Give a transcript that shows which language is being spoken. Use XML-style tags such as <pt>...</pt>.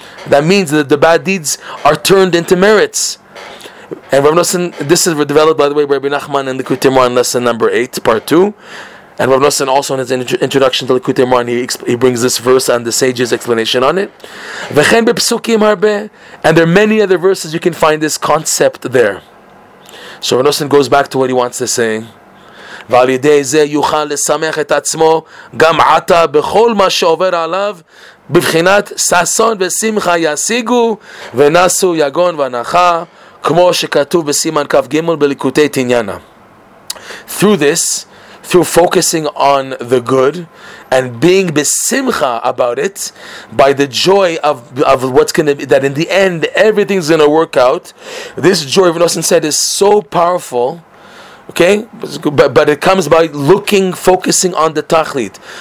<en>That means that the bad deeds are turned into merits. And Rav Nosson, this is developed, by the way, by Rabbi Nachman in Likutei Moran, lesson number 8, part 2. And Rav Nosson also, in his introduction to Likutei Moran, he brings this verse and the sage's explanation on it.</en> <he>V'chein b'psukim harbe,</he> <en>and there are many other verses you can find this concept there. So Rav Nosson goes back to what he wants to say.</en> <he>ועל ידי זה יוכל לסמך את עצמו גם עתה בכל מה שעובר עליו בבחינת ססון ושמחה ישיגו ונסו יגון ונחה כמו שכתוב בסימן כף גימול בליקוטי תניאנה.</he> <en>Through this, through focusing on the good and being besimcha about it, by the joy of what's going to be, that in the end everything's going to work out, this joy, Rav Nosson said, is so powerful. Okay, but it comes by looking, focusing on the tachlit.</en>